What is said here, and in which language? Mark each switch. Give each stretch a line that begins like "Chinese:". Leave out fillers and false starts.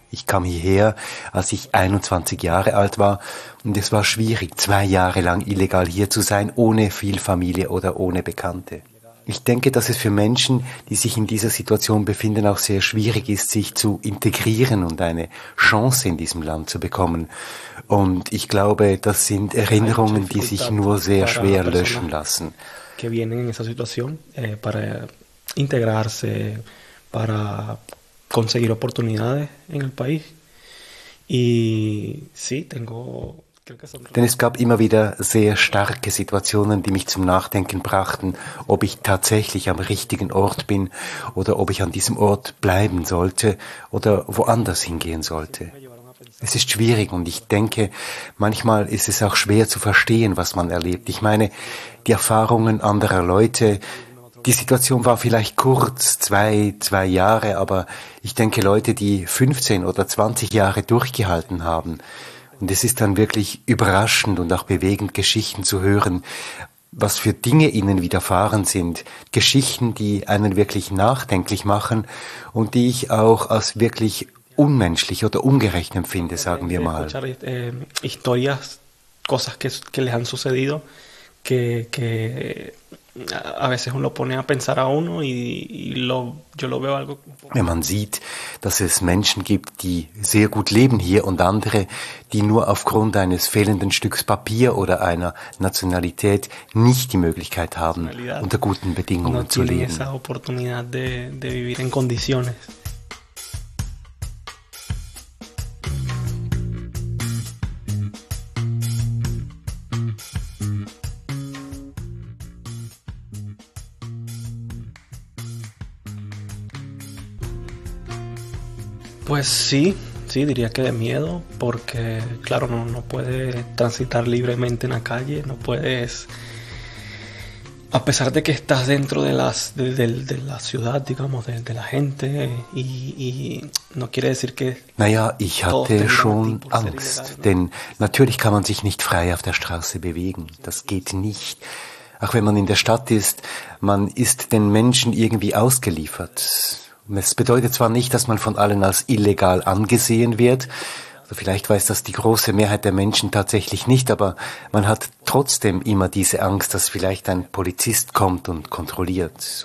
German: Ich kam hierher, als ich 21 Jahre alt war und es war schwierig, 2 Jahre lang illegal hier zu sein, ohne viel Familie oder ohne Bekannte. Ich denke, dass es für Menschen, die sich in dieser Situation befinden, auch sehr schwierig ist, sich zu integrieren und eine Chance in diesem Land zu bekommen. Und ich glaube, das sind Erinnerungen, die sich nur sehr schwer löschen lassen.
Spanish: Que vienen en esa situación para integrarse, para conseguir oportunidades en el país. Y sí, tengo.
German: Denn es gab immer wieder sehr starke Situationen, die mich zum Nachdenken brachten, ob ich tatsächlich am richtigen Ort bin oder ob ich an diesem Ort bleiben sollte oder woanders hingehen sollte. Es ist schwierig und ich denke, manchmal ist es auch schwer zu verstehen, was man erlebt. Ich meine, die Erfahrungen anderer Leute, die Situation war vielleicht kurz, 2 Jahre, aber ich denke, Leute, die 15 oder 20 Jahre durchgehalten haben, und es ist dann wirklich überraschend und auch bewegend, Geschichten zu hören, was für Dinge ihnen widerfahren sind. Geschichten, die einen wirklich nachdenklich machen und die ich auch als wirklich unmenschlich oder ungerecht empfinde, sagen wir mal.
Spanish: Historias, cosas que les han sucedido, que a veces uno pone a pensar a uno y lo, yo lo veo algo.
German: Wenn man sieht, dass es Menschen gibt, die sehr gut leben hier und andere, die nur aufgrund eines fehlenden Stücks Papier oder einer Nationalität nicht die Möglichkeit haben, unter guten Bedingungen zu leben.
Spanish: Esa oportunidad de vivir en condiciones. Pues sí, sí, diría que de miedo, porque claro, no puedes transitar libremente en la calle, no puedes, a pesar de que estás dentro de las de la ciudad, digamos, de la gente, y no quiere decir que.
German: Naja, ich hatte schon Angst, denn natürlich kann man sich nicht frei auf der Straße bewegen, das geht nicht. Auch wenn man in der Stadt ist, man ist den Menschen irgendwie ausgeliefert. Es bedeutet zwar nicht, dass man von allen als illegal angesehen wird, also vielleicht weiß das die große Mehrheit der Menschen tatsächlich nicht, aber man hat trotzdem immer diese Angst, dass vielleicht ein Polizist kommt und kontrolliert.